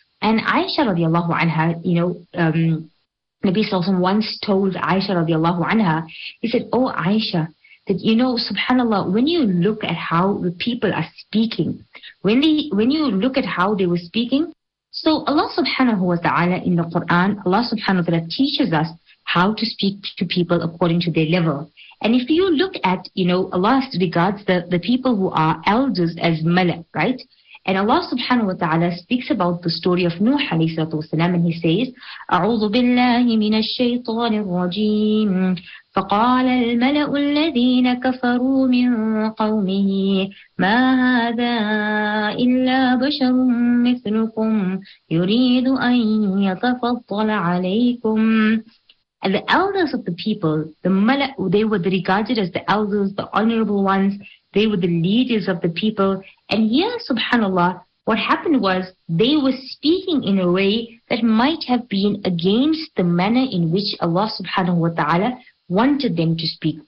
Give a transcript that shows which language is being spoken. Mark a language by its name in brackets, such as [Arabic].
[English] And Aisha radiallahu anha, Nabi sallallahu alayhi wa sallam once told Aisha radiallahu anha, he said, oh Aisha, that, you know, subhanAllah, when you look at how the people are speaking, when you look at how they were speaking, so Allah subhanahu wa ta'ala in the Quran, Allah subhanahu wa ta'ala teaches us how to speak to people according to their level. And if you look at, you know, Allah regards the people who are elders as malak, right? And Allah subhanahu wa ta'ala speaks about the story of Nuh alayhi salatu wasalam, and he says, [Arabic] أَعُوذُ بِاللَّهِ مِنَ الشَّيْطَانِ الرَّجِيمِ فقال الملأ الذين كفروا من قومه ما هذا إلا بشر مثلكم يريد أن يتفضل عليكم. [English] And the elders of the people, the Malak, they were regarded as the elders, the honorable ones. They were the leaders of the people. And here, subhanAllah, what happened was they were speaking in a way that might have been against the manner in which Allah subhanahu wa ta'ala wanted them to speak.